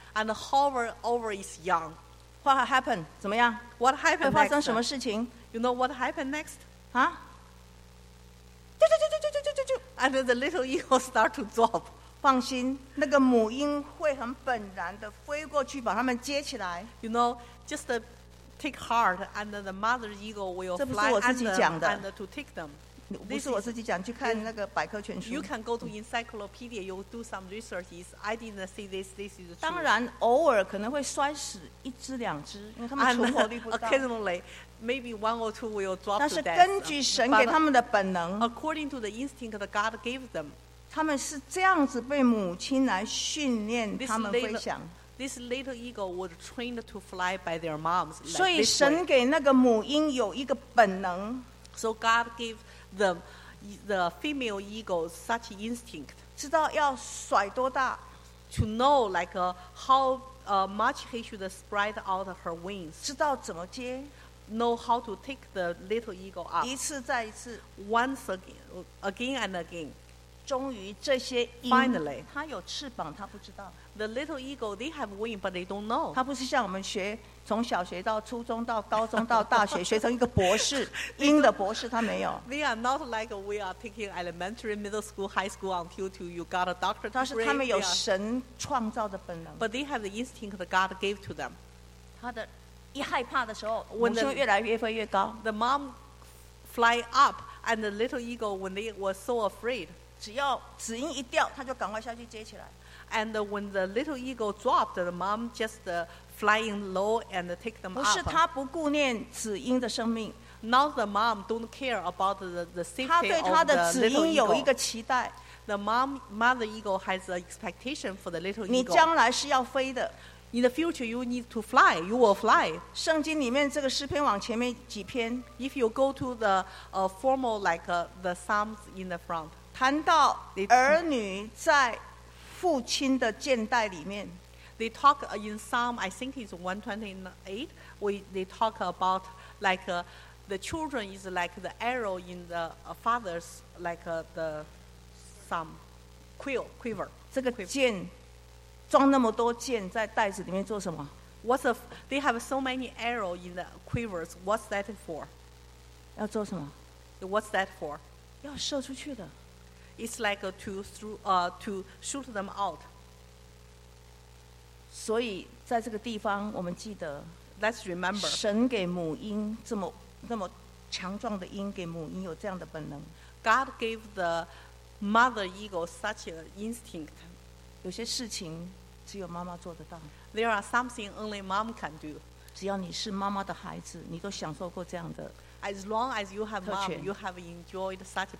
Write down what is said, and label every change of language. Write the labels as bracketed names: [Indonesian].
[English] And hover over its young. What happened? [Chinese] 怎么样？ [English] What happened? [Chinese] 会发生什么事情？ [English] You know what happened next? 啊？就 And the little eagle start to drop. [Chinese] 放心，那个母鹰会很本然的飞过去把它们接起来。 [English] You know, just take heart, and the mother eagle will fly under. [Chinese] 这不是我自己讲的。 [English] And to take them, [Chinese] 不是我自己讲，去看那个百科全书。 [English] You can go to encyclopedia. You do some researches. I didn't see this. This is true. [Chinese] 当然，偶尔可能会摔死一只两只，因为它们存活率不高。 [English] Occasionally, maybe one or two will drop to death. [Chinese] 但是根据神给他们的本能。 [English] According to the instinct that God gave them. [Chinese] 他们是这样子被母亲来训练他们飞翔。 [English] This little eagle was trained to fly by their moms. [Chinese] 所以神给那个母鹰有一个本能。 [English] So God gave the female eagle such instinct. [Chinese] 知道要甩多大。 [English] To know like how much he should spread out her wings. [Chinese] 知道怎么接。 [English] Know how to take the little eagle up. [Chinese] 一次再一次。 [English] Once again and again. [Chinese] 终于这些鹰 [English] Finally, [Chinese] 它有翅膀它不知道 [English] The little eagle they have wings but they don't know [Chinese] 它不是像我们学从小学到初中到高中到大学学成一个博士鹰的博士它没有 [English] They are not like we are taking elementary, middle school, high school until you got a doctorate [Chinese] 但是它们有神创造的本能 [English] But they have the instinct that God gave to them [Chinese] 它的一害怕的时候母亲越来越飞越高 [English] The mom fly up and the little eagle when they were so afraid [Chinese] 只要子鹰一掉，他就赶快下去接起来。 [English] And when the little eagle dropped, the mom just flying low and take them up. [Chinese] 不是他不顾念子鹰的生命。 [English] Now the mom don't care about the safety of the little eagle. [Chinese] 他对他的子鹰有一个期待。 [English] The mother eagle has an expectation for the little eagle. [Chinese] 你将来是要飞的。 [English] In the future, you need to fly. You will fly. [Chinese] 圣经里面这个诗篇往前面几篇。 [English] If you go to the formal like the Psalms in the front. [Chinese] 谈到儿女在父亲的箭袋里面 [English] They talk in Psalm I think it's 128 They talk about like the children is like the arrow in the father's like the some quiver [Chinese] 这个箭装那么多箭在袋子里面做什么 [English] What's the, They have so many arrows in the quivers What's that for? [Chinese] 要做什么 [English] What's that for? [Chinese] 要射出去的 [English] It's like to shoot them out. [Chinese] 所以在这个地方，我们记得 [English] ，Let's remember， [Chinese] 神给母鹰这么强壮的鹰，给母鹰有这样的本能。 [English] God gave the mother eagle such an instinct. [Chinese] 有些事情只有妈妈做得到。 [English] There are something only mom can do. [Chinese] 只要你是妈妈的孩子，你都享受过这样的。 [English] As long as you have mom, you have enjoyed such privilege.